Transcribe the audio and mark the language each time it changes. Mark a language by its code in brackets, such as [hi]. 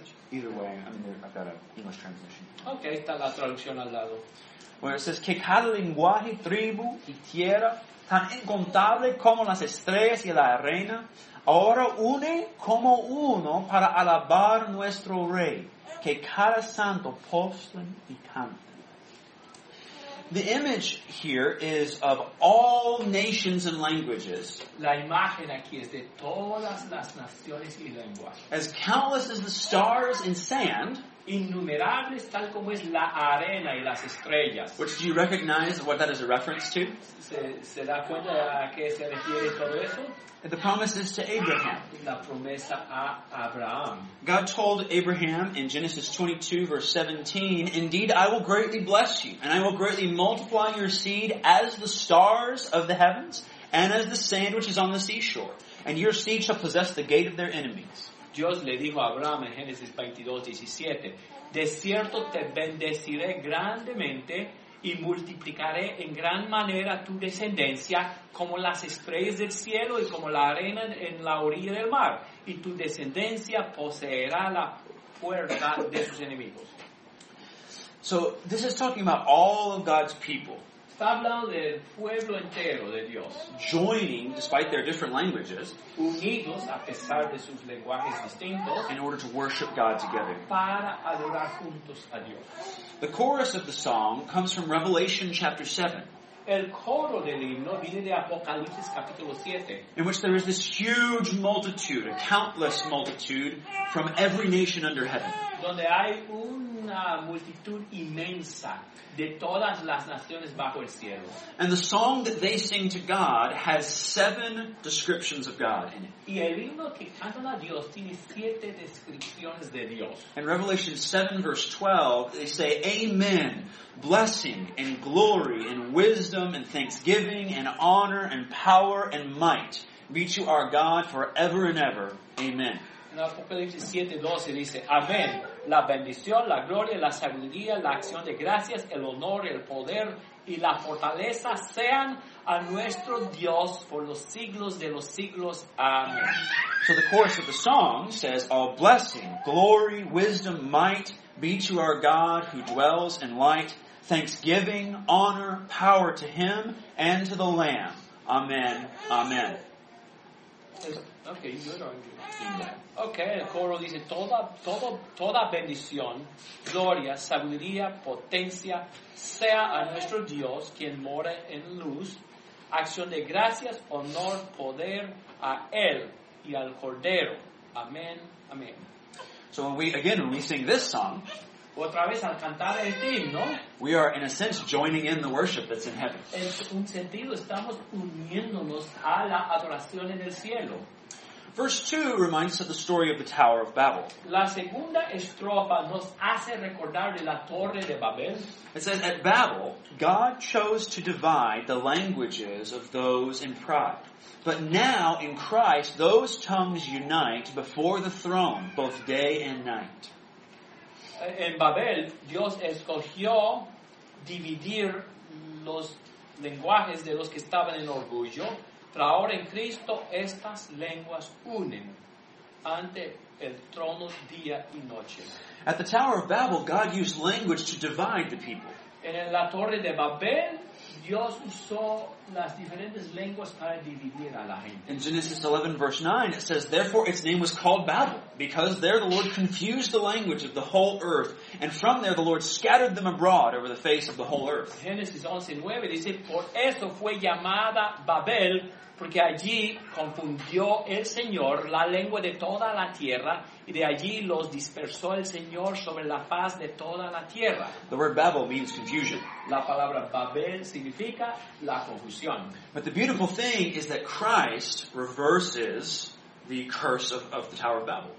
[en] Either way, I've got an English translation. [es] Okay, está la traducción al lado. [en] Where it says, [es] "Que cada lenguaje, tribu y tierra, tan incontable como las estrellas y la arena, ahora une como uno para alabar nuestro Rey, que cada santo postren y cante." [en] The image here is of all nations and languages. [es] La imagen aquí es de todas las naciones y lenguas. [en] As countless as the stars and sand. [es] Innumerables tal como es la arena y las estrellas. [en] Which, do you recognize what that is a reference to? [es] ¿Se da cuenta a qué se refiere todo eso? [en] The promises to Abraham. [es] La promesa a Abraham. [en] God told Abraham in Genesis 22, verse 17, "Indeed, I will greatly bless you, and I will greatly multiply your seed as the stars of the heavens, and as the sand which is on the seashore. And your seed shall possess the gate of their enemies." [es] Dios le dijo a Abraham en Génesis 22, 17, "De cierto te bendeciré grandemente y multiplicaré en gran manera tu descendencia como las estrellas del cielo y como la arena en la orilla del mar. Y tu descendencia poseerá la puerta de sus enemigos." [en] So, this is talking about all of God's people. [es] Está hablando del pueblo entero de Dios. [en] Joining, despite their different languages. [es] Unidos, a pesar de sus lenguajes distintos. [en] In order to worship God together. [es] Para adorar juntos a Dios. [en] The chorus of the song comes from Revelation chapter 7. [es] El coro del himno viene de Apocalipsis capítulo 7. [en] In which there is this huge multitude, a countless multitude, from every nation under heaven. [es] Donde hay una multitud inmensa de todas las naciones bajo el cielo. [en] And the song that they sing to God has 7 descriptions of God in it. [es] Y el himno que cantan a Dios tiene 7 descripciones de Dios. [en] In Revelation 7, verse 12, they say, "Amen, blessing and glory and wisdom and thanksgiving and honor and power and might be to our God forever and ever. Amen." [es] En Apocalipsis 7:12 dice, "Amén. La bendición, la gloria, la sabiduría, la acción de gracias, el honor, el poder y la fortaleza sean a nuestro Dios por los siglos de los siglos. Amén." [en] So the chorus of the song says, "All blessing, glory, wisdom, might be to our God who dwells in light. Thanksgiving, honor, power to Him and to the Lamb. Amen. Amen." Okay, you're arguing. [es] Okay, el coro dice toda bendición, gloria, sabiduría, potencia sea a nuestro Dios quien mora en luz. Acción de gracias, honor, poder a él y al Cordero. Amén, amén. [en] So when we sing this song, [es] otra vez al cantar este himno, [en] we are in a sense joining in the worship that's in heaven. [es] En un sentido estamos uniéndonos a la adoración en el cielo. [en] Verse 2 reminds us of the story of the Tower of Babel. [es] La segunda estrofa nos hace recordar de la Torre de Babel. [en] It says, at Babel, God chose to divide the languages of those in pride. But now, in Christ, those tongues unite before the throne, both day and night. [es] En Babel, Dios escogió dividir los lenguajes de los que estaban en orgullo. Pero ahora en Cristo estas lenguas unen ante el trono día y noche. [en] At the Tower of Babel, God used language to divide the people. [es] En la Torre de Babel, Dios usó las diferentes lenguas para dividir a la gente. [en] In Genesis 11, verse 9, it says, therefore its name was called Babel, because there the Lord confused the language of the whole earth, and from there the Lord scattered them abroad over the face of the whole earth. [es] Genesis 11, 9, dice, por eso fue llamada Babel, porque allí confundió el Señor la lengua de toda la tierra, y de allí los dispersó el Señor sobre la faz de toda la tierra. [en] The word Babel means confusion. [es] La palabra Babel significa la confusión. [en] But the beautiful thing is that Christ reverses the curse of the Tower of Babel.